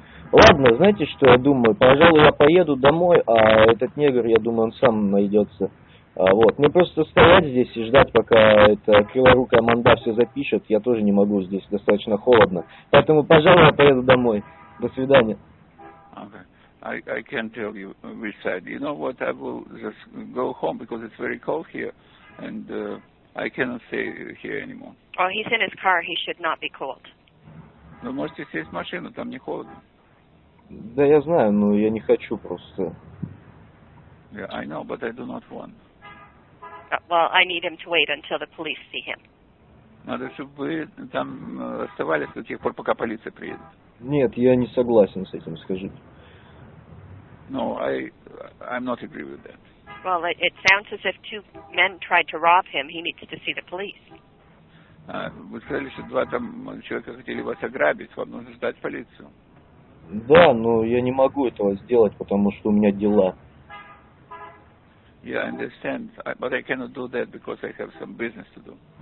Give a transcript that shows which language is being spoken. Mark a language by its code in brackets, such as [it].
[ru] Ладно, знаете, что я думаю? Пожалуй, я поеду домой, а этот негр, я думаю, он сам найдется. Вот. Мне просто стоять здесь и ждать, пока эта криворукая манда все запишет. Я тоже не могу, здесь достаточно холодно. Поэтому, пожалуй, я поеду домой. До свидания. [en] Okay. I can't tell you which side. You know what, I will just go home because it's very cold here, and I cannot stay here anymore. Oh, he's in his car, he should not be cold. [ru] Вы можете сесть в машину, там не холодно. Да я знаю, но я не хочу просто. [en] Yeah, I know, but I do not want. Well, I need him to wait until the police see him. [ru] Надо, чтобы вы там оставались до тех пор, пока полиция приедет. Нет, я не согласен с этим, скажите. [en] No, I'm not agree with that. Well, it sounds as if two men tried to rob him. He needs to see the police. [ru] Вы сказали, что два там человека хотели вас ограбить. Вам нужно ждать полицию. Да, но я не могу этого сделать, потому что у меня дела. [en] Yeah, I understand. But I cannot do that because I have some business to do.